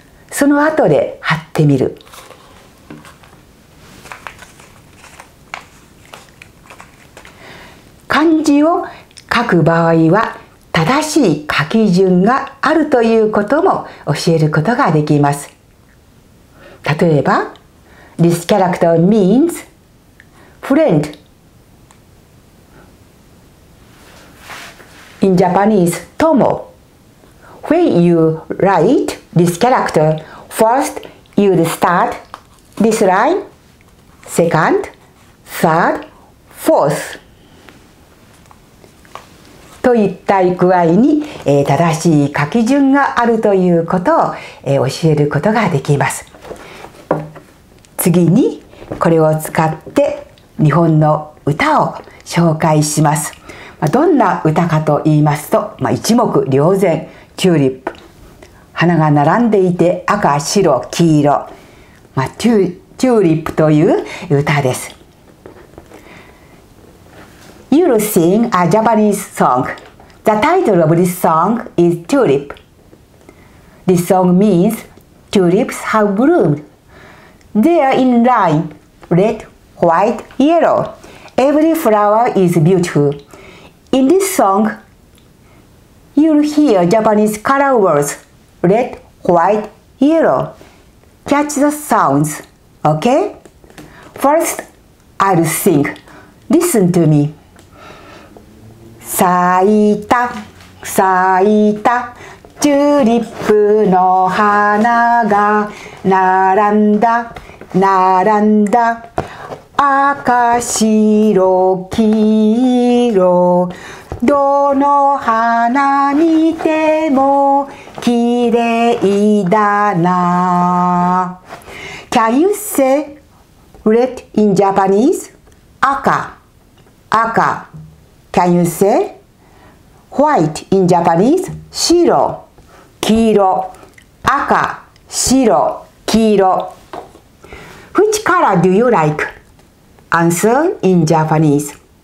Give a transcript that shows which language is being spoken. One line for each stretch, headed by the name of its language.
Japanese: その後で貼ってみる。漢字を書く場合は正しい書き順があるということも教えることができます。
English: 例えば This character means friend in Japanese
Japanese: 友
English: When you write this character first you start this line second third fourth
Japanese: といった具合に、正しい書き順があるということを、教えることができます。次にこれを使って日本の歌を紹介します。どんな歌かと言いますと、一目瞭然チューリップ、花が並んでいて赤白黄色、チューリップという歌です。
English: You'll sing a Japanese song. The title of this song is Tulip. This song means tulips have bloomed. They are in line, red, white, yellow. Every flower is beautiful. In this song, you'll hear Japanese color words, red, white, yellow. Catch the sounds, okay? First, I'll sing. Listen to me.
Japanese: 咲いた咲いたチューリップの花が並んだ並んだ赤白黄色どの花見ても綺麗だな
English: Can you say red in Japanese?
Japanese: 赤赤
English: Can you say white in Japanese?
Japanese: 白、黄色、赤、白、黄色。
English: Which color do you like? Answer in Japanese.